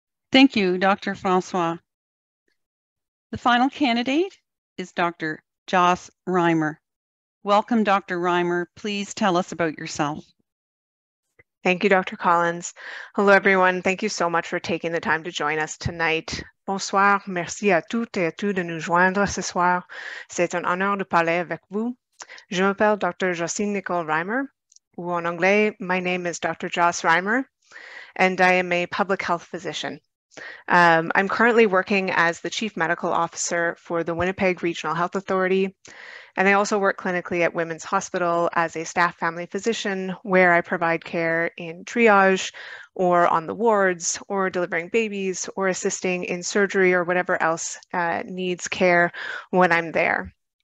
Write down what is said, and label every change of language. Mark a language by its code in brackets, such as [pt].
[en] Thank you, Dr. Francois. The final candidate is Dr. Joss Reimer. Welcome, Dr. Reimer. Please tell us about yourself. Thank you, Dr. Collins. Hello, everyone. Thank you so much for taking the time to join us tonight. [fr] Bonsoir. Merci à toutes et à tous de nous joindre ce soir. C'est un honneur de parler avec vous. Je m'appelle Dr. Jocelyne Nicole Reimer, ou en anglais, [en] my name is Dr. Joss Reimer, and I am a public health physician. I'm currently working as the Chief Medical Officer for the Winnipeg Regional Health Authority, and I also work clinically at Women's Hospital as a staff family physician, where I provide care in triage or on the wards or delivering babies or assisting in surgery or whatever else needs care when I'm there.